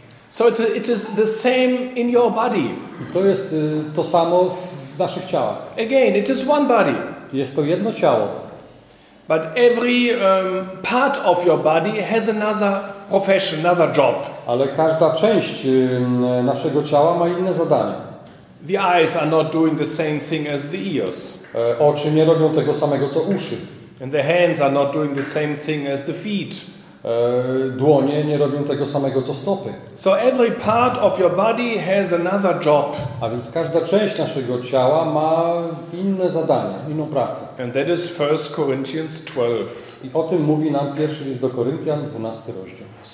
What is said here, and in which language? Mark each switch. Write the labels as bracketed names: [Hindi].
[English] So it is the same in your body. [Polish] To jest to samo w naszych ciałach. [English] Again, it is one body. [Polish] Jest to jedno ciało. [English] But every part of your body has another profession, another job. [Polish] Ale każda część naszego ciała ma inne zadanie. [English] The eyes are not doing the same thing as the ears. [Polish] Oczy nie robią tego samego co uszy. [English] And the hands are not doing the same thing as the feet. [Polish] Dłonie nie robią tego samego co stopy. [English] So every part of your body has another job. [Polish] A więc każda część naszego ciała ma inne zadanie, inną pracę. [English] And that is 1 Corinthians 12. [Polish] I o tym mówi nam pierwszy list do Koryntian, 12 rozdział.